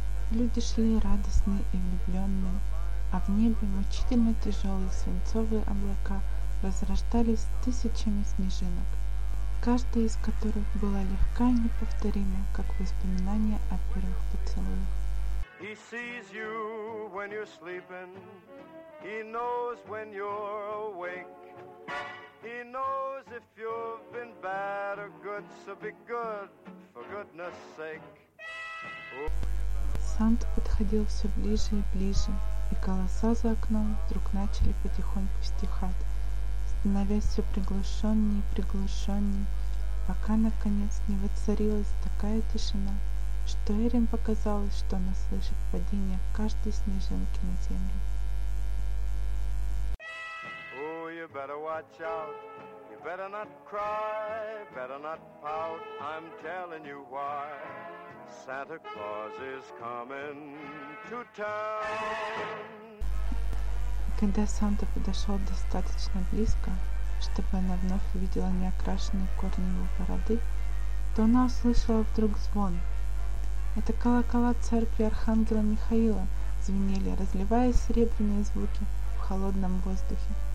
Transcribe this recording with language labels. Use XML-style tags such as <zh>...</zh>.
<ru>Люди шли радостные и влюбленные, а в небе мучительно тяжелые свинцовые облака разрастались тысячами снежинок, каждая из которых была легка и неповторима, как воспоминание о первых поцелуях.</ru> <en>He sees you when you're sleeping. He knows when you're awake. He knows if you've been bad or good, so be good, for goodness sake.</en> <ru>Санта подходил все ближе и ближе, и голоса за окном вдруг начали потихоньку стихать, становясь все приглушеннее и приглушеннее, пока, наконец, не воцарилась такая тишина, что Эрин показалось, что она слышит падение каждой снежинки на землю.</ru> <en>Oh, you better watch out. You better not cry. Better not pout. I'm telling you why. Santa Claus is coming to town.</en> <ru>Когда Санта подошел достаточно близко, чтобы она вновь увидела неокрашенные корни его бороды, то она услышала вдруг звон. Это колокола церкви Архангела Михаила звенели, разливая серебряные звуки в холодном воздухе.</ru>